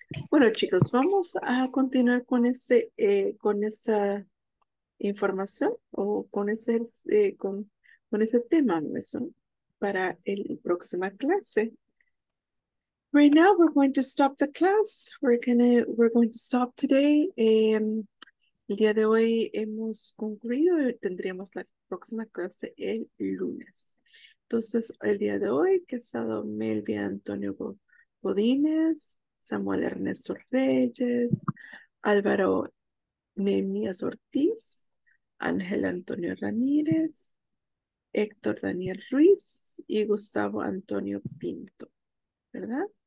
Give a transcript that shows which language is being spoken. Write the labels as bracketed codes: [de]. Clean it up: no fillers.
[es] Bueno, chicos, vamos a continuar con ese, con esa información, o con ese, con ese tema, ¿no? Para el próxima clase. [en] Right now, we're going to stop the class. We're going to stop today. [es] El día de hoy hemos concluido y tendríamos la próxima clase el lunes. Entonces, el día de hoy, que ha estado Melvia Antonio Godínez, Samuel Ernesto Reyes, Álvaro Nehemías Ortiz, Ángel Antonio Ramírez, Héctor Daniel Ruiz y Gustavo Antonio Pinto, ¿verdad?